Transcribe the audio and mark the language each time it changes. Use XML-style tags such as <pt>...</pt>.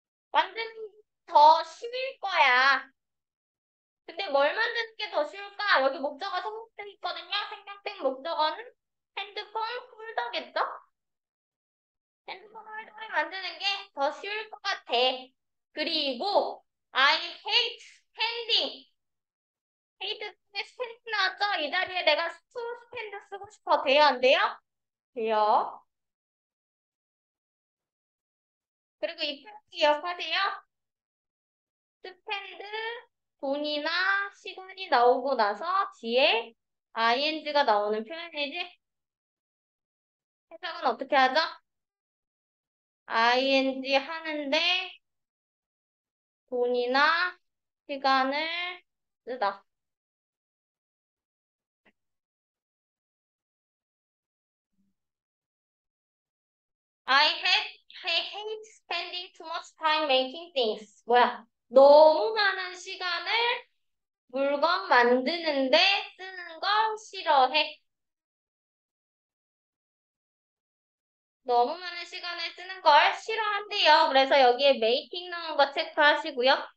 <ko>완전 더 쉬울 거야. 근데 뭘 만드는 게더 쉬울까? 여기 목적어 생략돼 있거든요. 생략된 목적어는 핸드폰 홀더겠죠? 핸드폰 홀더를 만드는 게더 쉬울 것 같아.</ko> <en>그리고 I hate spending.</en> <ko>헤이트 스펜드 나왔죠? 이 자리에 내가 스펜드 쓰고 싶어. 돼요, 안 돼요? 돼요. 그리고 이 표현 기억하세요? 스펜드 돈이나 시간이 나오고 나서 뒤에 ing가 나오는 표현이지? 해석은 어떻게 하죠? ing 하는데 돈이나 시간을 쓰다.</ko> <en>I hate spending too much time making things.</en> <ko>뭐야? 너무 많은 시간을 물건 만드는데 쓰는 걸 싫어해. 너무 많은 시간을 쓰는 걸 싫어한대요. 그래서 여기에 making 넣은 거 체크하시고요.</ko>